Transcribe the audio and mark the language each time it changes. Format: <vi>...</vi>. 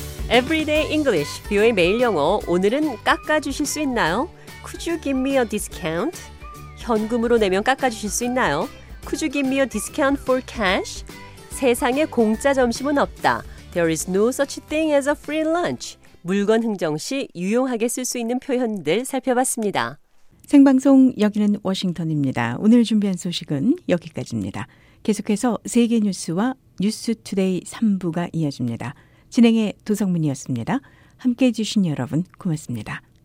<ko>에브리데이 잉글리시 뷰의 매일 영어 오늘은 깎아주실 수 있나요?</ko> <en>Could you give me a discount?</en> <ko>현금으로 내면 깎아주실 수 있나요?</ko> <en>Could you give me a discount for cash?</en> <ko>세상에 공짜 점심은 없다.</ko> <en>There is no such thing as a free lunch.</en> <ko>물건 흥정시 유용하게 쓸 수 있는 표현들 살펴봤습니다. 생방송 여기는 워싱턴입니다. 오늘 준비한 소식은 여기까지입니다. 계속해서 세계 뉴스와 뉴스 투데이 3부가 이어집니다. 진행의 도성민이었습니다. 함께해 주신 여러분 고맙습니다.</ko>